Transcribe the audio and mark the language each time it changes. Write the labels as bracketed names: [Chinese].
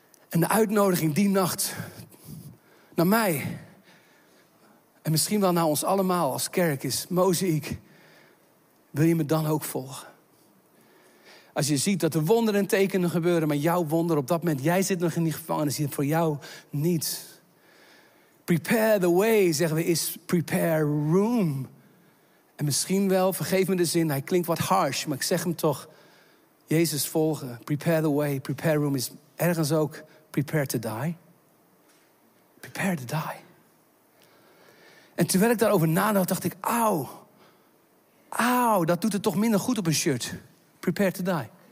[Dutch] En de uitnodiging die nacht naar mij, en misschien wel naar ons allemaal als kerk, is: Mozaïek, wil je me dan ook volgen? Als je ziet dat er wonderen en tekenen gebeuren, maar jouw wonder op dat moment, jij zit nog in die gevangenis, is voor jou niet. [English] Prepare the way, [Dutch] zeggen we, is [English] prepare room. [Dutch] En misschien wel, vergeef me de zin, hij klinkt wat harsh, maar ik zeg hem toch: Jezus volgen, [English] prepare the way, prepare room [Dutch] is ergens ook [English] prepare to die. Prepare to die. [Dutch] En terwijl ik daarover nadacht, dacht ik: auw. Auw, dat doet het toch minder goed op een shirt. [English] Prepare to die.